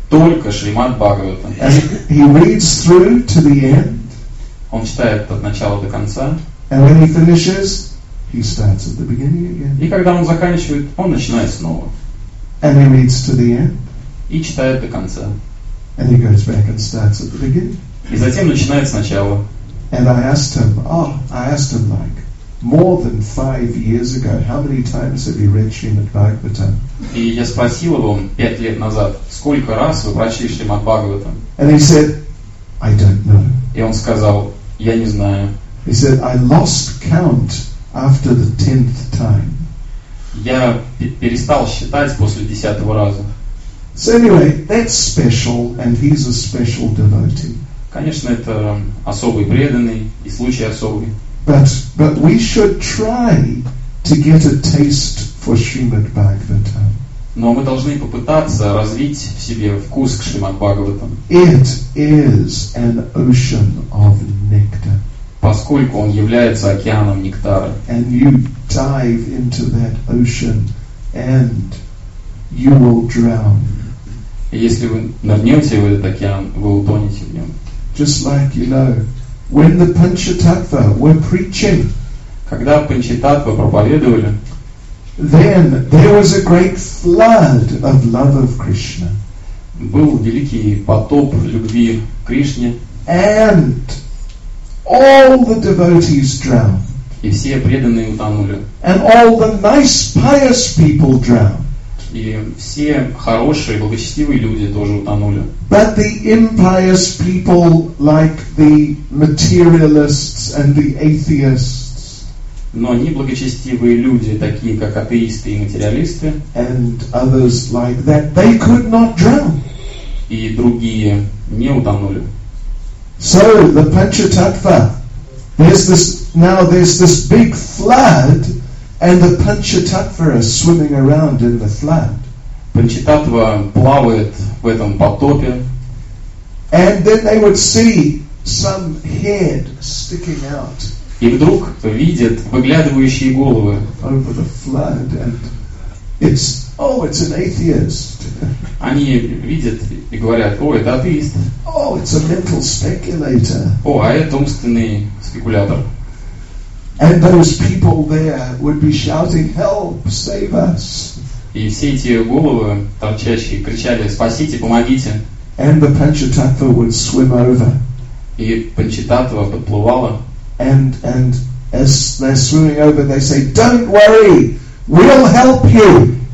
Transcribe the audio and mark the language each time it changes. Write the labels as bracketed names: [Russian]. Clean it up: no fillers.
[Russian] Только Шримад Бхагаватам. [English] And he reads through to the end. [Russian] Он читает от начала до конца. [English] And when he finishes, he starts at the beginning again. [Russian] И когда он заканчивает, он начинает снова. [English] And he reads to the end. [Russian] И читает до конца. [English] And he goes back and starts at the beginning. [Russian] И затем начинает сначала. [English] And I asked him, like more than 5 years ago, how many times have you read Shrimad Bhagavatam? [Russian] И я спросил его 5 лет назад, сколько раз вы прочли Шримад Бхагаватам? [English] And he said, I don't know. [Russian] И он сказал, я не знаю. [English] He said, I lost count after the 10th time. [Russian] Я перестал считать после 10-го раза. [English] So anyway, that's special, and he's a special devotee. [Russian] Конечно, это особый преданный и случай особый. [English] But we should try to get a taste for Shrimad Bhagavatam. [Russian] Но мы должны попытаться развить в себе вкус к Шримад Бхагаватам. [English] It is an ocean of nectar. [Russian] Поскольку он является океаном нектара. [English] And you dive into that ocean and you will drown. [Russian] И если вы нырнете в этот океан, вы утонете в нем. [English] Just like, you know, when the Panchatattva were preaching, [Russian] когда Панчататва проповедовали, [English] then there was a great flood of love of Krishna. [Russian] Был великий поток любви к Кришне, [English] and all the devotees drowned. [Russian] И все преданные утонули. [English] And all the nice pious people drowned. [Russian] И все хорошие, благочестивые люди тоже утонули. [English] But the impious people, like the materialists and the atheists, [Russian] но не благочестивые люди, такие как атеисты и материалисты, [English] and others like that, they could not drown. [Russian] и другие не утонули. [English] So the Panchatattva, there's this big flood, and the Panchatattva is swimming around in the flood. [Russian] Панчататва плавает в этом потопе. [English] And then they would see some head sticking out. [Russian] И вдруг видят выглядывающие головы. [English] Over the flood, and it's, oh, it's an atheist. [Russian] Они видят и говорят, о, это атеист. [English] Oh, it's a mental speculator. [Russian] О, а это умственный спекулятор. [English] And those people there would be shouting, help, save us. [Russian] И все эти головы торчащие кричали, спасите, помогите. [English] And the Panchatattva would swim over. [Russian] И Панчататва подплывала. [English] And as they're swimming over, they say, don't worry, we'll help you.